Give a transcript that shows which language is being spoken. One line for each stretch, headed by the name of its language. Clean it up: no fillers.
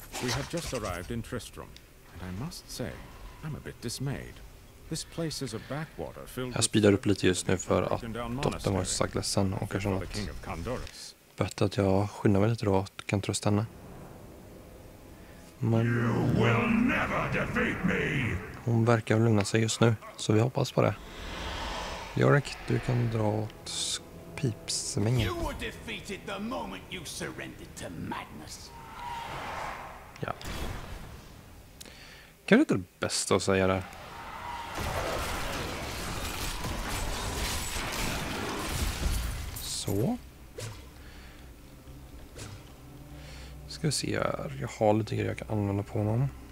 English: We have just arrived in Tristram, and I must say, I'm a bit dismayed. This place is a backwater filled.
Swedish: Jag speedar upp lite just nu för att dottern var sagt ledsen och kanske något. Bättre att jag skyndar mig lite då och kan trösta henne. Men
English: you will never defeat me.
Swedish: Hon verkar lugna sig just nu, så vi hoppas på det. Jorik, du kan dra åt pipsmängen.
English: You were defeated the moment you surrendered to madness.
Swedish: Ja. Kanske inte det bästa att säga där. Så. Ska vi se här. Jag har lite grejer jag kan använda på honom.